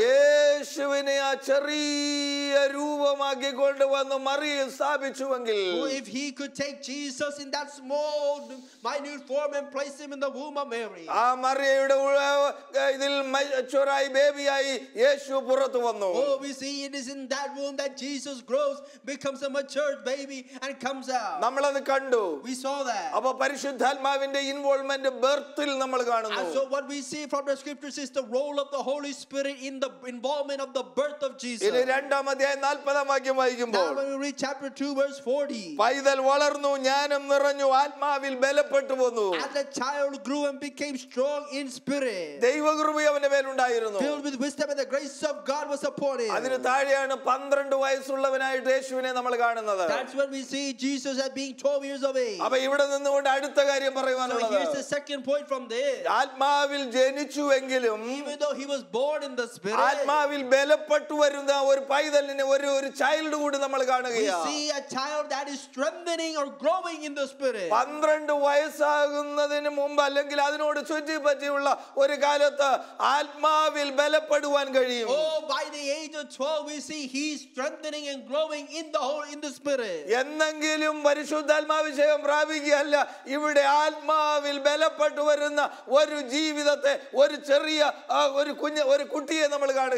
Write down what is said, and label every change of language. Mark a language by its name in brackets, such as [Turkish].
[Malayalam] യേശുവിനെ ആ ചെറിയ രൂപമാക്കി കൊണ്ടുവന്ന് മറിയയിൽ സ്ഥാപിച്ചുവെങ്കിൽ [English] If he could take Jesus in that small minute form and place him in the womb of Mary [Malayalam] ആ മറിയയുടെ ഇതിൽ മച്ചുറായി ബേബിയായി യേശു പുറത്തു വന്നു [English] We see it is in that womb that Jesus grows becomes a matured baby and comes out [Malayalam] നമ്മളെ കണ്ടു [English] we saw that [Malayalam] അപ്പൊ പരിശുദ്ധാത്മാവിന്റെ involvement ബർത്തിൽ നമ്മൾ കാണുന്നു [English] so what we see from the scriptures is the role of the holy spirit in the involvement of the birth of jesus [Malayalam] ഇനി രണ്ടാം അധ്യായം 40 വാക്യം വായിക്കുമ്പോൾ [English] now when we read chapter 2 verse 40 [Malayalam] പൈതൽ വളർന്നു ജ്ഞാനം നിറഞ്ഞു ആത്മാവിൽ ബലപ്പെട്ടു വന്നു [English] as the child grew and became strong in spirit [Malayalam] ദൈവകൃപ അവന്റെ മേൽ ഉണ്ടായിരുന്നു [English] filled with wisdom and the grace of god was upon him [Malayalam] അതിനു താഴെയാണ് 12 വയസ്സുള്ളവനായിട്ട് യേശുവിനെ നമ്മൾ കാണുന്നത് [English] that's when we see jesus as being 12 years of age. [Malayalam] அப்ப இവിടെ നിന്ന് കൊണ്ട് അടുത്ത കാര്യം പറയാനുള്ളത് [English] Here's the second point from this. [Malayalam] ആത്മാവിൽ ജനിച്ചുവെങ്കിലും [English] Even though he was born in the spirit. [Malayalam] ആത്മാവിൽ ബലപ്പെട്ടു വരുന്ന ഒരു പൈതലിനെ ഒരു ചൈൽഡ് കൂടി നമ്മൾ കാണുകയാണ്. [English] We see a child that is strengthening or growing in the spirit. [Malayalam] 12 വയസ്സാകുന്നതിനു മുൻപ് അല്ലെങ്കിൽ അതിനോട് ചുറ്റി പറ്റിയുള്ള ഒരു കാലത്തെ ആത്മാവിൽ ബലപ്പെടുവാൻ കഴിയും. [English] Oh by the age of 12 we see he's strengthening and growing in the whole in the spirit. [Malayalam] എന്നെങ്കിലും ശുദ്ധാത്മാവിജയം പ്രാപിക്കുകയല്ല ഇവിടെ ആത്മാവിൽ ബലപ്പെട്ടു വരുന്ന ഒരു ജീവിതത്തെ ഒരു ചെറിയ ഒരു കുഞ്ഞ് ഒരു കുട്ടിയെ നമ്മൾ